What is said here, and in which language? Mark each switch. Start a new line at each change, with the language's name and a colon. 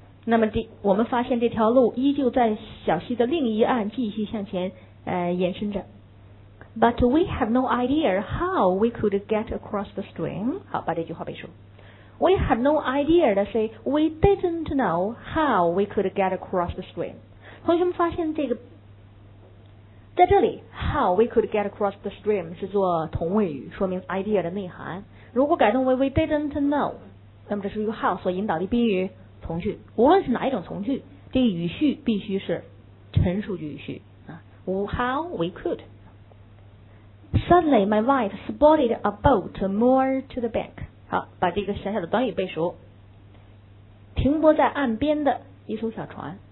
Chinese: 那么我们发现这条路依旧在小溪的另一岸继续向前延伸着。
English: But we have no idea how we could get across the stream.
Chinese: 好，把这句话背熟。
English: We have no idea to say we didn't know how we could get across the stream.
Chinese: 同学们发现这个，在这里
English: how we could get across the stream
Chinese: 是做同位语，说明 idea 的内涵。如果改动为
English: we didn't know，
Chinese: 那么这是由 how 所引导的宾语从句。无论是哪一种从句，这语序必须是陈述句语序啊。
English: How we could。 Suddenly, my wife spotted a boat moored to the bank.
Chinese: 好，把这个小小的短语背熟。停泊在岸边的一艘小船，